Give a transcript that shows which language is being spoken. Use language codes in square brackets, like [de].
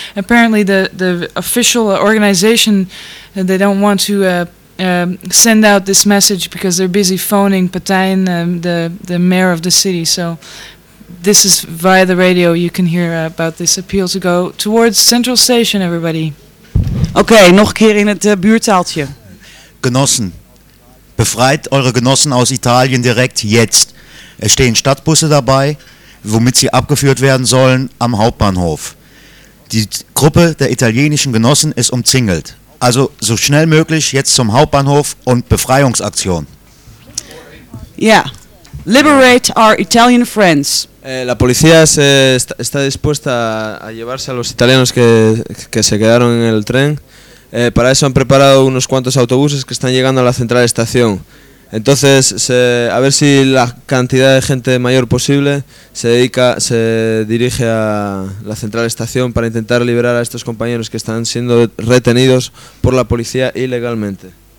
[en] Apparently the official organization, they don't want to send out this message because they're busy phoning Patijn, the mayor of the city. So this is via the radio. You can hear about this appeal to go towards Central Station, everybody. [nl] Okay, nog een keer in het buurtaaltje. [de] Genossen, befreit eure Genossen aus Italien direkt jetzt. Es stehen Stadtbusse dabei, womit sie abgeführt werden sollen am Hauptbahnhof. Die Gruppe der italienischen Genossen ist umzingelt. Also so schnell möglich jetzt zum Hauptbahnhof und Befreiungsaktion. [en] Ja, yeah. Liberate our Italian friends. [es] La policía se está dispuesta a llevarse a los italianos que se quedaron en el tren. Para eso han preparado unos cuantos autobuses que están llegando a la central estación. Entonces, a ver si la cantidad de gente mayor posible se dirige a la central estación para intentar liberar a estos compañeros que están siendo retenidos por la policía ilegalmente.